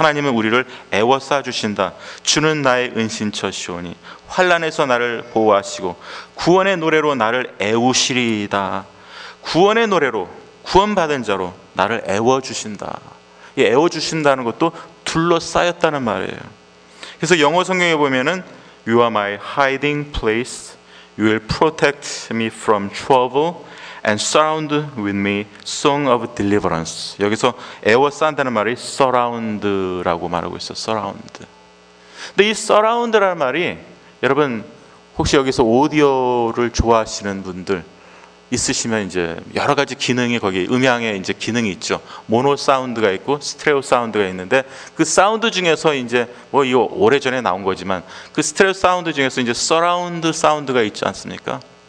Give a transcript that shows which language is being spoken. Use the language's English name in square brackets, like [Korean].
[Korean] 하나님은 우리를 애워싸 주신다. 주는 나의 은신처시오니 환난에서 나를 보호하시고 구원의 노래로 나를 애우시리이다. 구원의 노래로 구원받은 자로 나를 애워주신다. 이 애워주신다는 것도 둘러싸였다는 말이에요. 그래서 영어 성경에 보면은 [English] You are my hiding place. You will protect me from trouble and surround with me song of deliverance. [Korean] 여기서 애워싸는 말이 surround라고 말하고 있어요. [English] surround. [Korean] 근데 이 surround라는 말이 여러분 혹시 여기서 오디오를 좋아하시는 분들 있으시면 이제 여러 가지 기능이 거기 음향에 이제 기능이 있죠. 모노 사운드가 있고 스테레오 사운드가 있는데 그 사운드 중에서 이제 뭐 이거 오래전에 나온 거지만 그 스테레오 사운드 중에서 이제 서라운드 사운드가 있지 않습니까?